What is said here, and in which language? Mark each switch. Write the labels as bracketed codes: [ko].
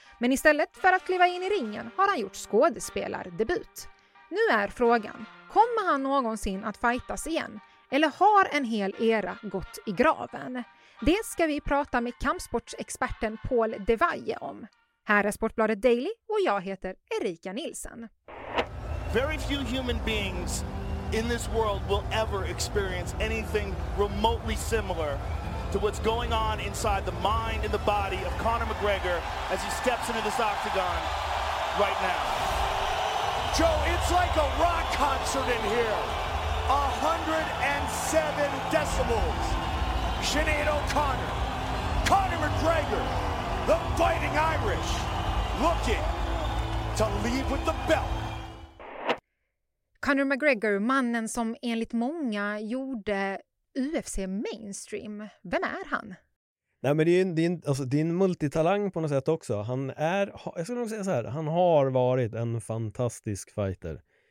[sv] Men istället för att kliva in i ringen har han gjort skådespelardebut. Nu är frågan, kommer han någonsin att fightas igen? Eller har en hel era gått i graven? Det ska vi prata med kampsportsexperten Paul Devaille om. Här är Sportbladet Daily och jag heter Erika Nilsson. [en] Very few human beings in this world will ever experience anything remotely similar to what's going on inside the mind and the body of Conor McGregor as he steps into this octagon right now. Joe, it's like a rock concert in here. 107 decibels. Sinead O'Connor, Conor McGregor, the Fighting Irish, looking to leave with the belt. [sv] Conor McGregor, mannen som enligt många gjorde UFC mainstream. Vem är han? Nej, men det är en multitalang på något sätt också. Han är, jag skulle nog säga så här, han har varit en fantastisk fighter.